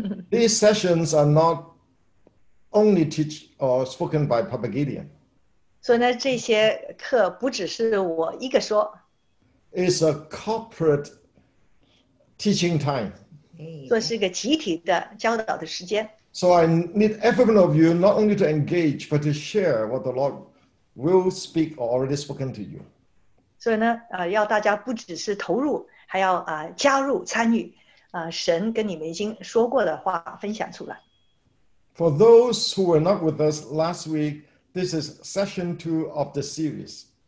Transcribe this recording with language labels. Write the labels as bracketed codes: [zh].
[en] These sessions are not only teach or spoken by Papa Gideon. [zh] 所以呢，这些课不只是我一个说。 [en] It's a corporate teaching time. [zh] 做是一个集体的教导的时间。 [en] So I need every one of you not only to engage, but to share what the Lord will speak or already spoken to you. [zh] 所以呢，要大家不只是投入，还要加入参与，神跟你们已经说过的话分享出来。 [en] For those who were not with us last week, this is session two of the series.